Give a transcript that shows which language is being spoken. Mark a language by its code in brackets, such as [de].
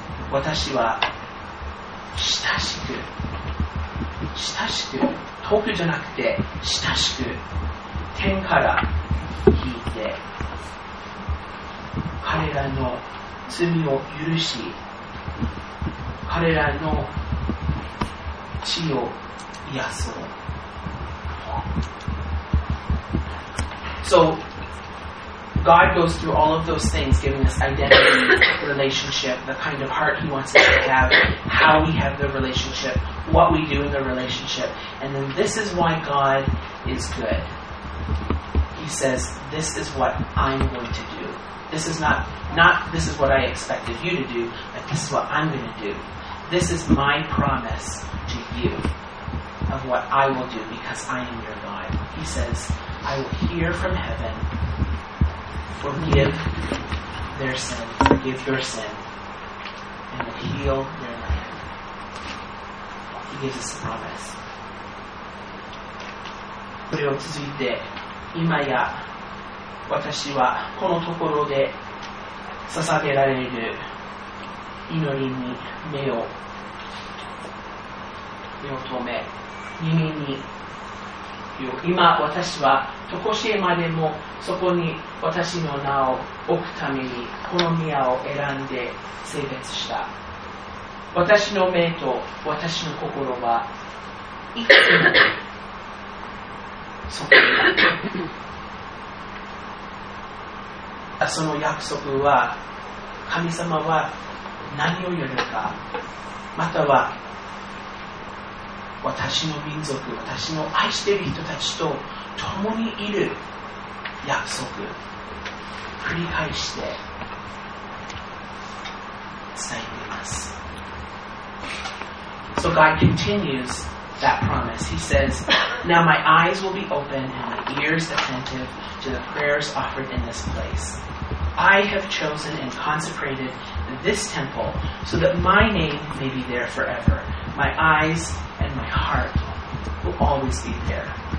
[ja] 私は親しく遠くじゃなくて親しく天から聞いて、彼らの罪を許し、彼らの血を癒そう。 [en] So God goes through all of those things, giving us identity, relationship, the kind of heart he wants us to have, how we have the relationship, what we do in the relationship. And then this is why God is good. He says, this is what I'm going to do. This is not this is what I expected you to do, but this is what I'm going to do. This is my promise to you of what I will do because I am your God. He says, I will hear from heaven, forgive their sin, forgive your sin, and will heal your land. He gives us a promise. [ja] これを続いて、今や私はこのところで捧げられる祈りに目を留め、耳に今私は常しえまでもそこに私の名を置くためにこの宮を選んで聖別した。私の目と私の心はいつもそこにあったその約束は、神様は何を言うのか、または私の民族、私の愛している人たちと共にいる約束、繰り返して伝えています。 [en] So God continues that promise. He says, Now my eyes will be open and my ears attentive to the prayers offered in this place. I have chosen and consecrated this temple so that my name may be there forever. My eyes and my heart will always be there.